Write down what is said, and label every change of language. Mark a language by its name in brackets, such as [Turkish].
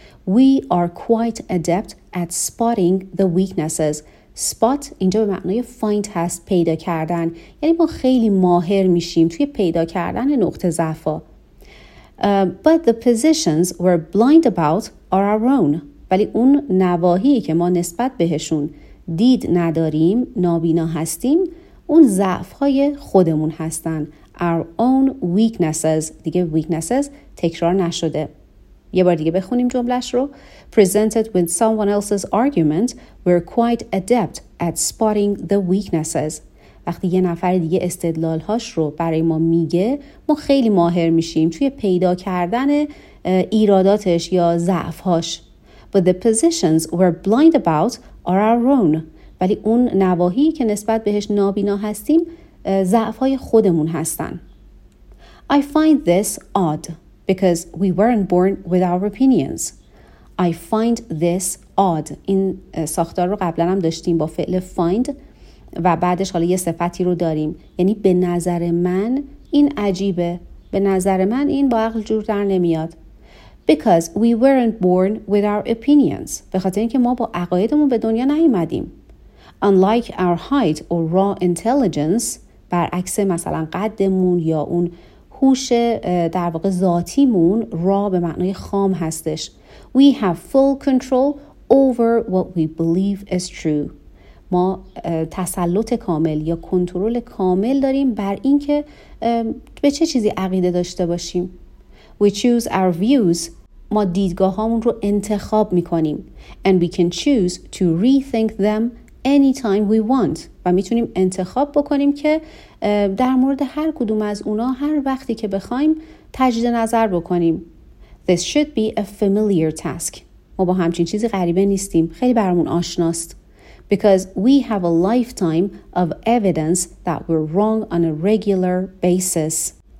[English] We are quite adept at spotting the weaknesses. [Persian] Spot اینجا به معنای find هست، پیدا کردن. یعنی ما خیلی ماهر میشیم توی پیدا کردن نقطه ضعف. [English] But the positions we're blind about are our own. [Persian] ولی اون نواحی که ما نسبت بهشون دید نداریم، نابینا هستیم، اون ضعف‌های خودمون هستن. [English] Our own weaknesses. [Persian] دیگه weaknesses تکرار نشده. یه بار دیگه بخونیم جملهش رو. [English] Presented with someone else's argument, we're quite adept at spotting the weaknesses. [Persian] وقتی یه نفر دیگه استدلال‌هاش رو برای ما میگه، ما خیلی ماهر میشیم توی پیدا کردن ایراداتش یا ضعف‌هاش. [English] But the positions we're blind about are our own. [Persian] ولی اون نواحی که نسبت بهش نابینا هستیم ضعف‌های خودمون هستن. [English] I find this odd because we weren't born with our opinions. I find this odd. [Persian] این ساختار رو قبلا هم داشتیم با فعل find و بعدش حالا یه صفتی رو داریم. یعنی به نظر من این عجیبه. به نظر من این با عقل جور در نمیاد. [English] Because we weren't born with our opinions. [Persian] به خاطر اینکه ما با عقایدمون به دنیا نیومدیم. [English] Unlike our height or raw intelligence, [Persian] برعکس مثلا قدمون یا اون هوش در واقع ذاتیمون، raw به معنای خام هستش. [English] We have full control over what we believe is true. [Persian] ما تسلط کامل یا کنترل کامل داریم بر این که به چه چیزی عقیده داشته باشیم. [English] We choose our views. [Persian] ما دیدگاه‌هامون رو انتخاب می‌کنیم. [English] And we can choose to rethink them anytime we want. [Persian] و می‌تونیم انتخاب بکنیم که در مورد هر کدوم از اونا هر وقتی که بخوایم تجدید نظر بکنیم. [English] This should be a familiar task. [Persian] ما با همچین چیزی غریبه نیستیم. خیلی برامون آشناست. [English] Because we have a lifetime of evidence that we're wrong on a regular basis.